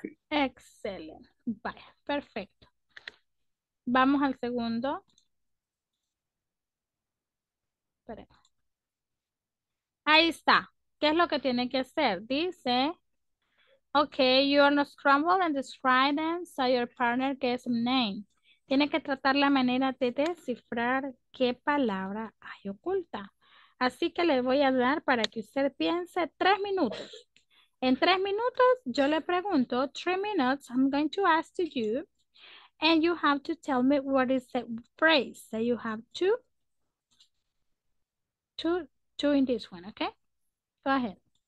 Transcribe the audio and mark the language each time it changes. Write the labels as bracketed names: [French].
[Spanish] Excellent. Vaya, perfecto. Vamos al segundo. Espera. Ahí está. ¿Qué es lo que tiene que hacer? [English] Dice, okay, you are not scrambled and describe them so your partner gets a name. [Spanish] Tiene que tratar la manera de descifrar qué palabra hay oculta. Así que le voy a dar para que usted piense 3 minutos. En 3 minutos, yo le pregunto, [English] 3 minutes, I'm going to ask to you, and you have to tell me what is the phrase that you have to in this one, okay? Go ahead.